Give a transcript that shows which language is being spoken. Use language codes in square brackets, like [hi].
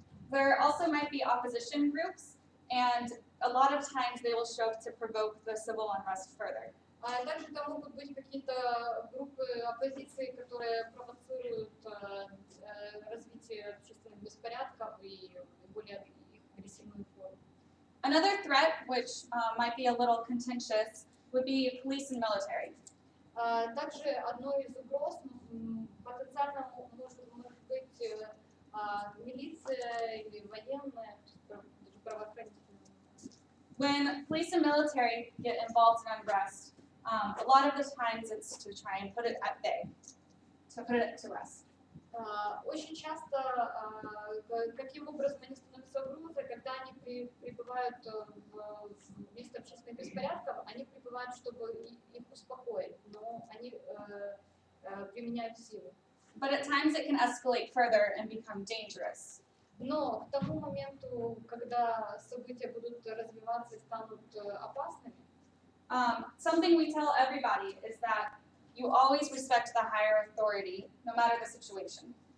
[en] There also might be opposition groups, and a lot of times they will show up to provoke the civil unrest further. [ru] Также там могут быть какие-то группы оппозиции, которые провоцируют развитие общественных беспорядков и более агрессивную форму. [en] Another threat, which might be a little contentious, would be police and military. [ru] Также одной из угроз потенциально может быть милиция или военная, даже правоохранительная. [en] When police and military get involved in unrest, a lot of the times it's to try and put it at bay, to put it to rest. [ru] Очень часто каким образом они становятся угрозой, когда они прибывают в место общественных беспорядков, они прибывают, чтобы их успокоить, но они применяют силу. [en] But at times it can escalate further and become dangerous. [ru] Но к тому моменту, когда события будут развиваться и станут опасными, [en] Something we tell everybody is that you always respect the higher authority, no matter the situation.